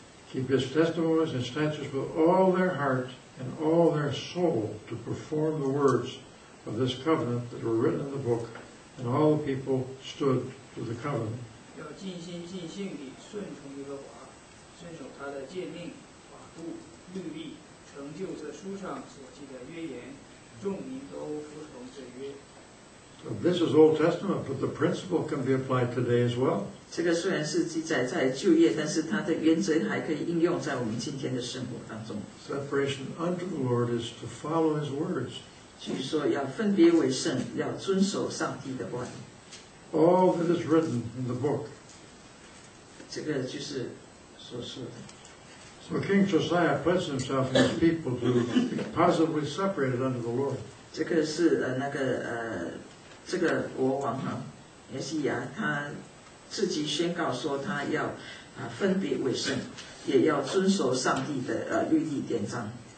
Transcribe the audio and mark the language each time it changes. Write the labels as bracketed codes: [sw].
[en] Keep His testimonies and statutes with all their heart and all their soul to perform the words of this covenant that were written in the book, and all the people stood to the covenant. [zh] 要尽心尽性地顺从耶和华，遵守他的诫命、法度、律例，成就这书上所记的约言，众民都服从这约。 [en] So this is Old Testament, but the principle can be applied today as well. [zh] 这个虽然是记载在旧约，但是它的原则还可以应用在我们今天的生活当中。 [en] Separation unto the Lord is to follow His words. [zh] 据说要分别为圣，要遵守上帝的话语。 [en] All that is written in the book. [zh] 这个就是所说的。 [en] So King Josiah pledged himself and his people to be positively separated unto the Lord. [zh] 这个是那个这个国王哈，约西亚他自己宣告说他要分别为圣，也要遵守上帝的律例典章。